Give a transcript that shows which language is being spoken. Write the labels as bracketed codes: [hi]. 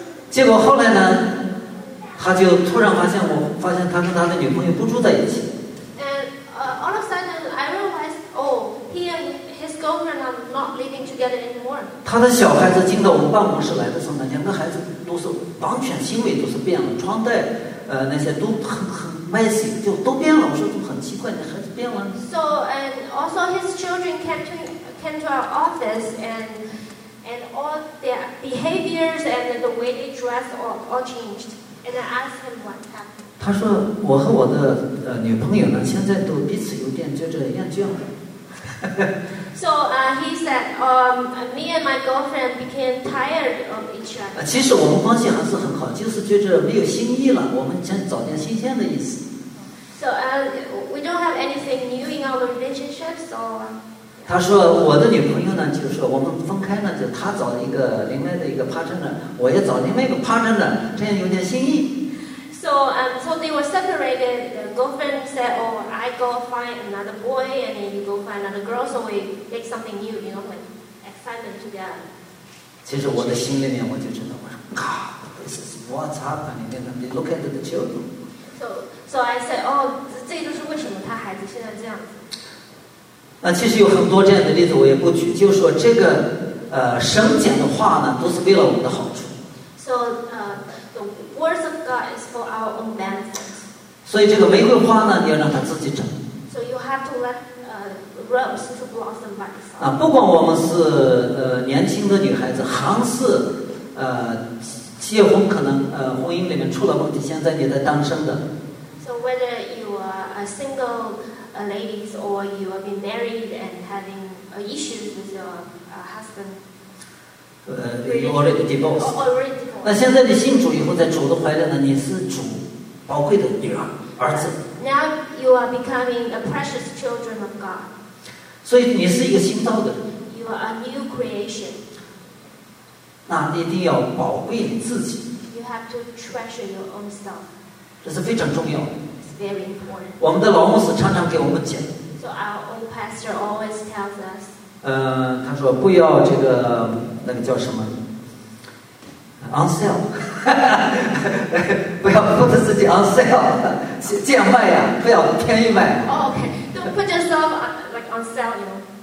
[zh] 结果后来呢，他就突然发现他跟他的女朋友不住在一起。 [en] And all of a sudden, I realized, "Oh, he and his girlfriend are not living together anymore." [zh] 他的小孩子进到我们办公室来的时候呢，两个孩子都是完全行为都是变了，穿戴那些都很 messy， 就都变了。我说很奇怪，你孩子变了。 [en] So and also his children came to our office and all their behaviors and the way they dress all changed. And I asked him what happened. [zh] 他说我和我的女朋友呢，现在都彼此有点觉着厌倦了。 [en] So he said, me and my girlfriend became tired of each other. [zh] 其实我们关系还是很好，就是觉着没有新意了，我们想找点新鲜的意思。 [en] So we don't have anything new in our relationship, so. [zh] 他说我的女朋友呢，就是说我们分开呢，就他找一个另外的一个 partner， 我也找另外一个 partner， 这样有点新意。 [en] So they were separated. The girlfriend said, "Oh, I go find another boy, and then you go find another girl. So we make something new, you know, like excitement together." [zh] 其实我的心里面我就知道，我说 [en] God, this is what's happening. You know, look at the children. So I said, "Oh, [zh] 这就是为什么他孩子现在这样子。其实有很多这样的例子，我也不举。就是说，这个神讲的话呢，都是为了我们的好处。 [en] So the words of God is for our own benefit. [zh] 所以这个玫瑰花呢，你要让它自己长。 [en] So you have to let rose to blossom by itself. [zh] 不管我们是年轻的女孩子，还是结婚可能婚姻里面出了问题，现在你在单身的。 [en] So whether you are a single ladies, or you have been married and having issues with your husband. Already divorced. Already divorced. [zh] 那现在你信主以后，在主的怀里呢，你是主宝贵的女儿、儿子。 [en] Now you are becoming a precious children of God. [zh] 所以你是一个新造的。 [en] You are a new creation. [zh] 那一定要宝贵你自己。 [en] You have to treasure your own self. [zh] 这是非常重要的。 [en] Very important. [zh] 我们的老牧师常常给我们讲。 [en] So our old pastor always tells us. [zh] 他说不要这个那个叫什么 ，on sale， 不要 put 自己 on sale， 贱卖呀，不要便宜卖。 [en] Oh, okay, don't put yourself like on sale, you know.